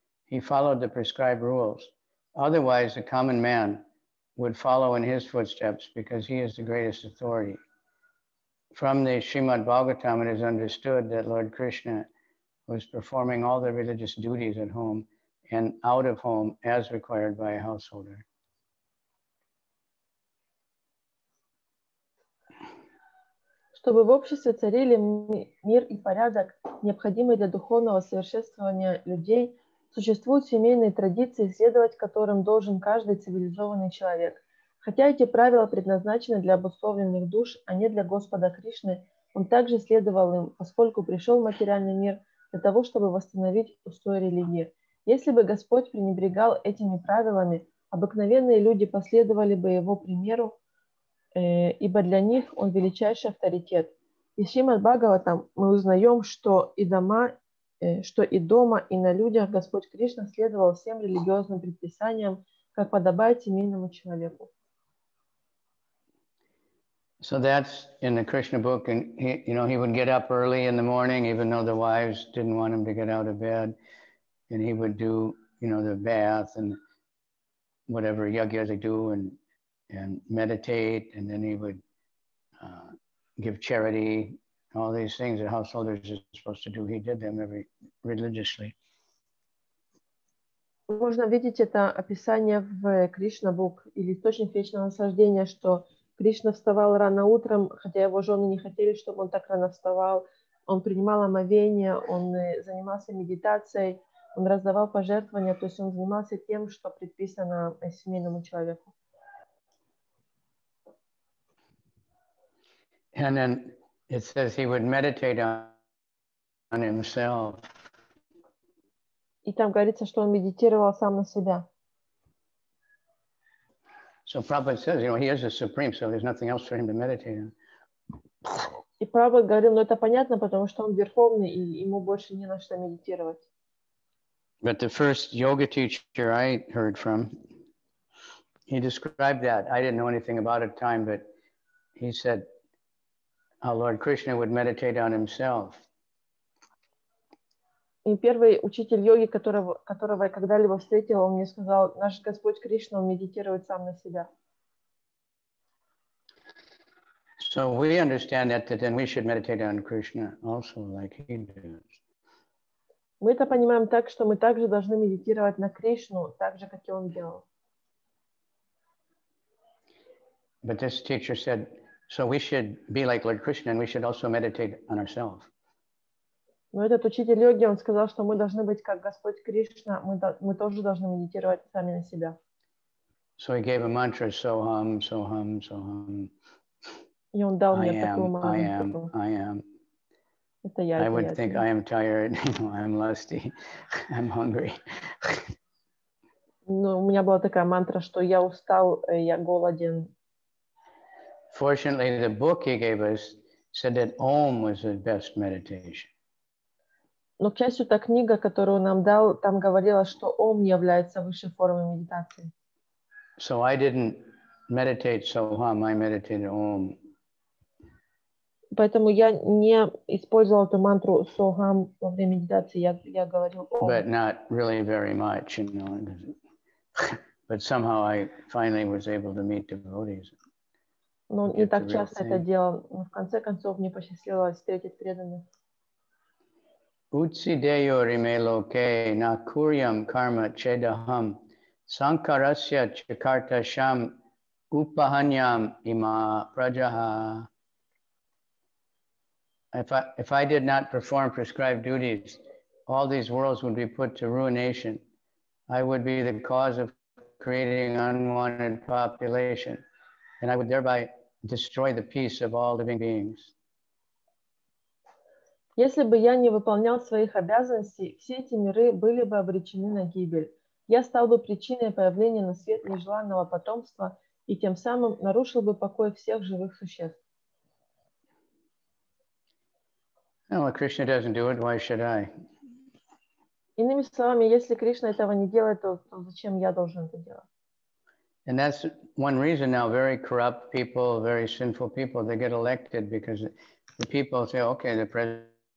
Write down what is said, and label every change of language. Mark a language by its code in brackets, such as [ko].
[en] He followed the prescribed rules. Otherwise, a common man would follow in his footsteps because he is the greatest authority. From the Srimad Bhagavatam, it is understood that Lord Krishna was performing all the religious duties at home and out of home as required by a householder. [ru] Чтобы в обществе царили мир и порядок, необходимый для духовного совершенствования людей, существуют семейные традиции, следовать которым должен каждый цивилизованный человек. Хотя эти правила предназначены для обусловленных душ, а не для Господа Кришны, он также следовал им, поскольку пришел в материальный мир для того, чтобы восстановить устои религии. Если бы Господь пренебрегал этими правилами, обыкновенные люди последовали бы его примеру, ибо для них он величайший авторитет. Из Шримад Бхагаватам мы узнаем, что и дома, и на людях Господь Кришна следовал всем религиозным предписаниям, как подобает семейному человеку. [en] So that's in the Krishna book, and he would get up early in the morning, even though the wives didn't want him to get out of bed, and he would do, the bath and whatever yagya they do, and meditate, and then he would give charity, all these things that householders are supposed to do. He did them every religiously. [ru] Можно видеть это описание в Кришна Бук или источник вечного наслаждения, что Кришна вставал рано утром, хотя его жены не хотели, чтобы он так рано вставал. Он принимал омовение, он занимался медитацией, он раздавал пожертвования, то есть он занимался тем, что предписано семейному человеку. [en] And then it says he would meditate on himself. [ru] И там говорится, что он медитировал сам на себя. [en] So Prabhupada says, he is the supreme, so there's nothing else for him to meditate on. [ru] И Прабхупада говорил, ну это понятно, потому что он верховный, и ему больше не на что медитировать. [en] But the first yoga teacher I heard from, he described that. I didn't know anything about it at the time, but he said, how Lord Krishna would meditate on himself. [ru] И первый учитель йоги, которого я когда-либо встретил, он мне сказал, наш Господь Кришна медитирует сам на себя. [en] So we understand that then we should meditate on Krishna also like he does. [ru] Мы это понимаем так, что мы также должны медитировать на Кришну, так же, как и он делал. [en] But this teacher said, so we should be like Lord Krishna and we should also meditate on ourselves. [ru] Но этот учитель йоги, он сказал, что мы должны быть как Господь Кришна, мы тоже должны медитировать сами на себя. [en] So he gave a mantra, soham, soham, soham. [ru] И он дал мне такую мантру. [en] I would think I am tired, I'm lusty, I'm hungry. [ru] Ну, у меня была такая мантра, что я устал, я голоден. [en] Fortunately, the book he gave us said that Om was the best meditation. [ru] Но, к счастью, та книга, которую он нам дал, там говорила, что Ом является высшей формой медитации. [en] So I didn't meditate Soham, I meditated Om. [ru] Поэтому я не использовал эту мантру Soham во время медитации, я говорил Ом. [en] But not really very much, you know. But somehow I finally was able to meet devotees. [ru] Но не так часто это делал, но в конце концов мне посчастливилось встретить преданных. [sa] Utsideyo rime loke nakuryam karma chedaham sankarasya chakarta sham upahanyam ima prajaha. [en] If I did not perform prescribed duties, all these worlds would be put to ruination. I would be the cause of creating unwanted population, and I would thereby destroy the peace of all living beings. [ru] Если бы я не выполнял своих обязанностей, все эти миры были бы обречены на гибель. Я стал бы причиной появления на свет нежеланного потомства и тем самым нарушил бы покой всех живых существ. [en] Well, Krishna doesn't do it, why should I? [ru] Иными словами, если Кришна этого не делает, то зачем я должен это делать? [en] And that's one reason now very corrupt people, very sinful people, they get elected because the people say, okay, the president.